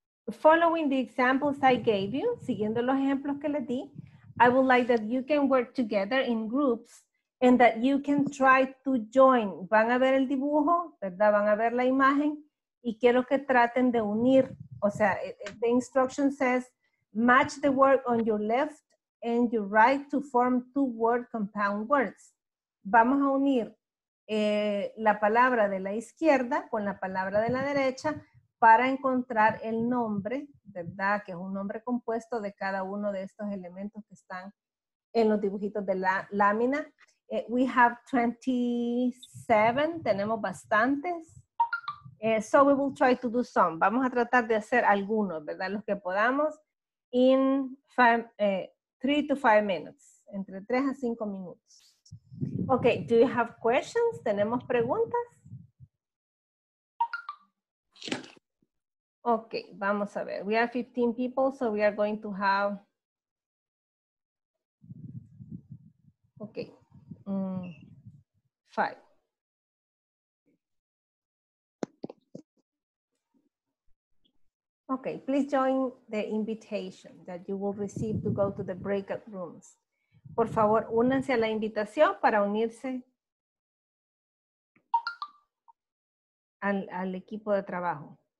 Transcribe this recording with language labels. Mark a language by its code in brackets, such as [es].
[en] Following the examples I gave you, [es] siguiendo los ejemplos que les di, [en] I would like that you can work together in groups and that you can try to join. [es] Van a ver el dibujo, ¿verdad? Van a ver la imagen y quiero que traten de unir. O sea, [en] the instruction says, match the word on your left and your right to form two word compound words. [es] Vamos a unir la palabra de la izquierda con la palabra de la derecha para encontrar el nombre, ¿verdad? Que es un nombre compuesto de cada uno de estos elementos que están en los dibujitos de la lámina. [en] We have 27, [es] tenemos bastantes. [en] So we will try to do some. [es] Vamos a tratar de hacer algunos, ¿verdad? Los que podamos [en] in 3 to 5 minutes, [es] entre 3 a 5 minutos. [en] Okay, do you have questions? [es] ¿Tenemos preguntas? [en] Okay, [es] vamos a ver. [en] We have 15 people, so we are going to have... Okay. Five. Okay, please join the invitation that you will receive to go to the breakout rooms. [es] Por favor, únanse a la invitación para unirse al equipo de trabajo.